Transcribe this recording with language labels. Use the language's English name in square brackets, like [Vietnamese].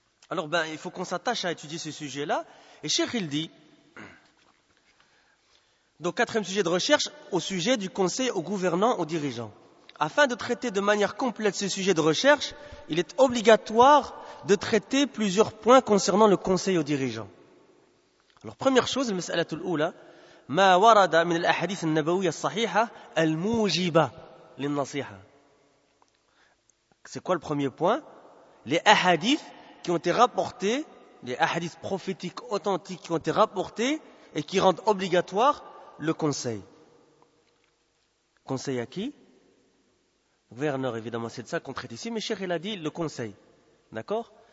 [French] Alors, ben, il faut qu'on s'attache à étudier ce sujet-là. Et Cheikh, il dit, donc quatrième sujet de recherche, au sujet du conseil aux gouvernants, aux dirigeants. Afin de traiter de manière complète ce sujet de recherche, il est obligatoire de traiter plusieurs points concernant le conseil aux dirigeants. Alors, première chose, le [Arabic] mas'alatul oula, ما ورد من الأحاديث النبوية الصحيحة الموجبة للنصيحة. [French] C'est quoi le premier point? Les ahadiths qui ont été rapportés, les ahadiths prophétiques authentiques qui ont été rapportés et qui rendent obligatoire le conseil. Conseil à qui? Gouverneur, évidemment, c'est de ça qu'on traite ici, mais Cheikh, il a dit le conseil. D'accord?